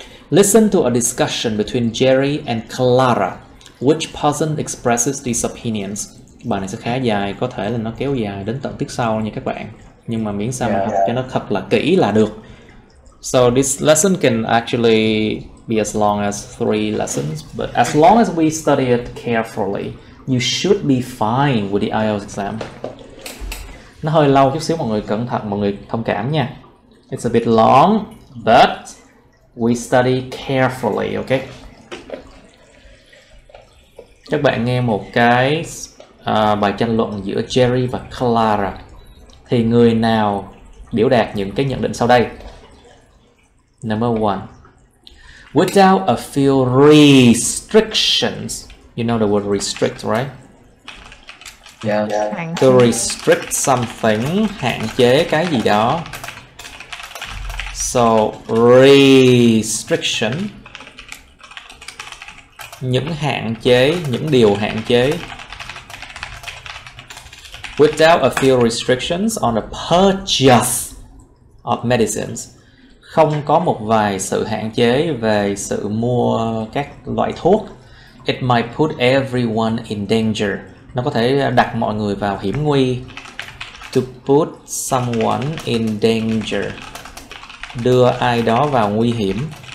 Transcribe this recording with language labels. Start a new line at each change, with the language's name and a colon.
English: Listen to a discussion between Jerry and Clara. Which person expresses these opinions?
Vietnamese: Bài này sẽ khá dài, có thể là nó kéo dài đến tận tiết sau nha các bạn. Nhưng mà miễn sao mà học cho nó thật là kỹ là được.
English: So this lesson can actually be as long as 3 lessons, but as long as we study it carefully, you should be fine with the IELTS exam.
Vietnamese: Nó hơi lâu chút xíu, mọi người cẩn thận, mọi người thông cảm nha.
English: It's a bit long, but we study carefully, okay?
Vietnamese: Các bạn nghe một cái bài tranh luận giữa Jerry và Clara. Thì người nào biểu đạt những cái nhận định sau đây?
English: Number one. Without a few restrictions, you know the word restrict, right? Yeah. To restrict something,
Vietnamese: hạn chế cái gì đó.
English: So, restriction.
Vietnamese: Những hạn chế, những điều hạn chế.
English: Without a few restrictions on the purchase of medicines.
Vietnamese: Không có một vài sự hạn chế về sự mua các loại thuốc.
English: It might put everyone in danger.
Vietnamese: Nó có thể đặt mọi người vào hiểm nguy.
English: To put someone in danger.
Vietnamese: Đưa ai đó vào nguy hiểm.